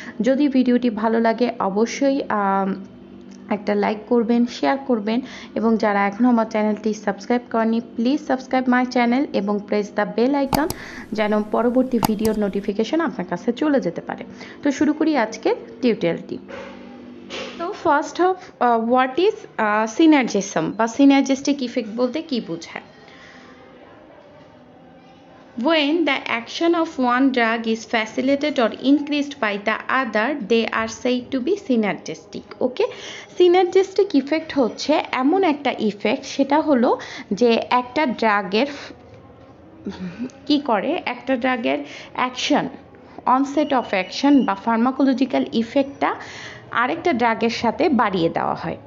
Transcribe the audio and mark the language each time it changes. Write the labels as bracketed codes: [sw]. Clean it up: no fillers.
[bn] যদি ভিডিওটি ভালো লাগে অবশ্যই একটা লাইক করবেন, শেয়ার করবেন, এবং যারা এখনও আমার চ্যানেলটি সাবস্ক্রাইব করেনি [en] please subscribe my channel [bn] এবং [en] press the bell icon, [bn] যেন পরবর্তী ভিডিওর নোটিফিকেশন আপনার কাছে চলে যেতে পারে। তো শুরু করি আজকে টিউটোরিয়ালটি। তো [en] first of what is [bn] সিনার্জিসম বা সিনার্জিস্টিক ইফেক্ট বলতে কী বোঝায়। [en] When the action of one drug is facilitated or increased by the other, they are said to be synergistic. Okay? [bn] Synergistic effect হচ্ছে এমন একটা ইফেক্ট, সেটা হলো যে একটা ড্রাগের কী করে, একটা ড্রাগের অ্যাকশন, অনসেট অফ অ্যাকশন বা ফার্মাকোলজিক্যাল ইফেক্টটা আরেকটা ড্রাগের সাথে বাড়িয়ে দেওয়া হয়।